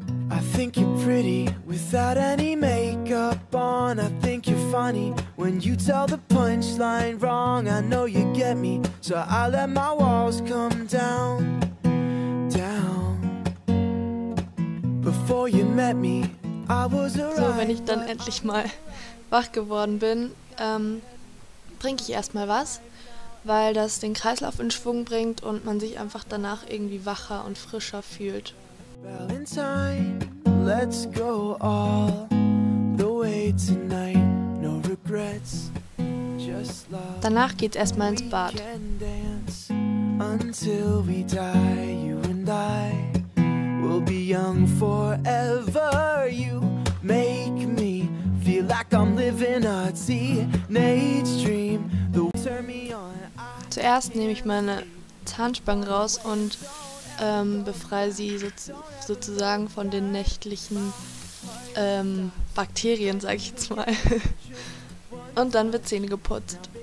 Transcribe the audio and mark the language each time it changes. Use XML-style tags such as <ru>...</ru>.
<en>I think you're pretty without any makeup on. I think you're funny when you tell the punchline wrong. I know you get me, so I let my walls come down, down. Before you met me, I was a right.</en> <de>So, wenn ich dann endlich mal wach geworden bin, trinke ich erstmal was, weil das den Kreislauf in Schwung bringt und man sich einfach danach irgendwie wacher und frischer fühlt.</de> <en>Valentine. Let's go all the way tonight. No regrets, just love.</en> <de>Danach geht's erstmal ins Bad.</de> <en>We can dance until we die. You and I will be young forever. You make me feel like I'm living a teenage dream. Turn me on.</en> <de>Zuerst nehme ich meine Zahnspange raus und befreie sie sozusagen von den nächtlichen Bakterien, sag ich jetzt mal. Und dann wird Zähne geputzt.</de>